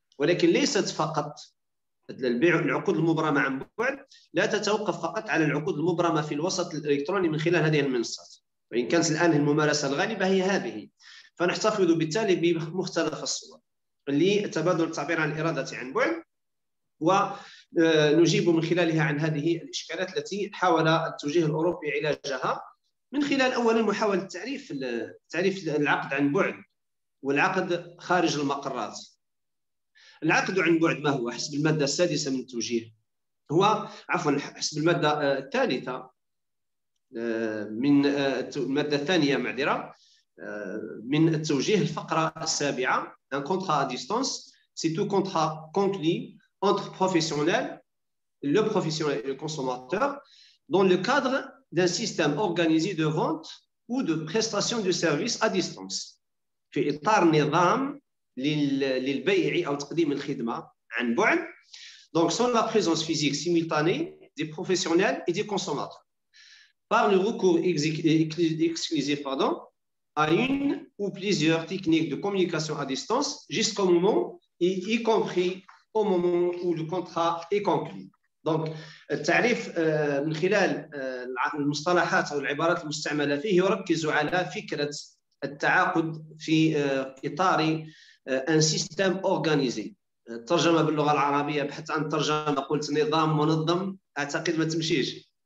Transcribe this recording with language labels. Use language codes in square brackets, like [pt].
[ar] ولكن ليست فقط البيع العقود المبرمة عن بعد، لا تتوقف فقط على العقود المبرمة في الوسط الإلكتروني من خلال هذه المنصات، وإن كانت الآن الممارسة الغالبة هي هذه، فنحتفظ بالتالي بمختلف الصور لتبادل التعبير عن الإرادة عن بعد، ونجيب من خلالها عن هذه الإشكالات التي حاول التوجيه الأوروبي علاجها من خلال أول محاولة تعريف العقد عن بعد والعقد خارج المقرات. العقد عن بعد ما هو حسب المادة السادسة من التوجيه؟ هو عفوا حسب المادة الثالثة من المادة الثانية معذرة من التوجيه الفقرة السابعة، [fr] un contrat à distance c'est tout contrat conclu entre professionnel le professionnel et le consommateur dans le cadre d'un système organisé de vente ou de prestation de service à distance. [ar] في إطار نظام للبيع أو تقديم الخدمة عن بعد، [fr] donc sans la présence physique simultanée des professionnels et des consommateurs par le recours exclusif pardon, à une ou plusieurs techniques de communication à distance jusqu'au moment, y compris au moment où le contrat est conclu. Donc, le tarif, [ar] من خلال المصطلحات أو العبارات المستعملة فيه يركز على فكرة التعاقد في إطار [fr] un système organisé. [ar] ترجمة باللغة العربية بحيث عن ترجمة قلت نظام منظم أعتقد ما تمشيش.